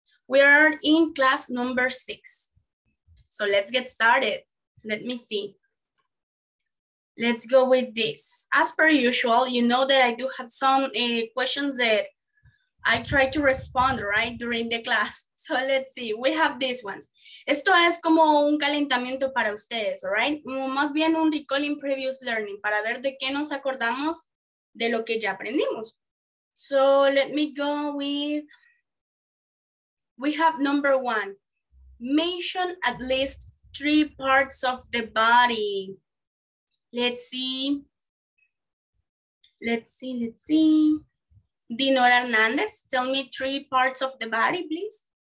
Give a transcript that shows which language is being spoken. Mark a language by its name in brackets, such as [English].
[English] We are in class number six. So let's get started. Let me see. Let's go with this. As per usual, you know that I do have some questions that I try to respond, right, during the class. So let's see, we have these ones. [Spanish] Esto es como un calentamiento para ustedes, all right? Más bien un [English] recalling previous learning, [Spanish] para ver de qué nos acordamos de lo que ya aprendimos. [English] So let me go with, we have number one. Mention at least three parts of the body. Let's see. Let's see, let's see. Dinora Hernandez, tell me three parts of the body, please.